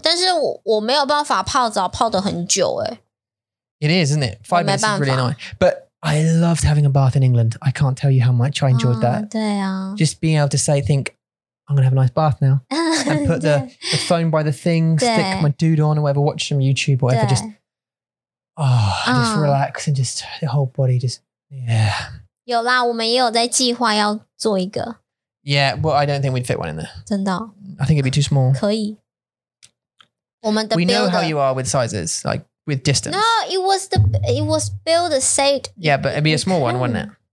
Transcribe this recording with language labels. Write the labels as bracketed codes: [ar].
[zh] 但是我没有办法泡澡泡得很久。 [en] It is, isn't it? 5 minutes is really annoying. But I loved having a bath in England. I can't tell you how much I enjoyed that. [zh] 对啊。 [en] Just being able to say, think, I'm going to have a nice bath now. And put the phone by the thing, stick my dude on or whatever, watch some YouTube or whatever. Just, just relax and just the whole body just, yeah. [zh] 有啦,我们也有在计划要做一个。 [en] Yeah, well, I don't think we'd fit one in there. [zh] 真的? [en] I think it'd be too small. [zh] 可以。 [en] We know how you are with sizes, like with distance. No, it was build a set. Yeah, but it'd be a small one, wouldn't it?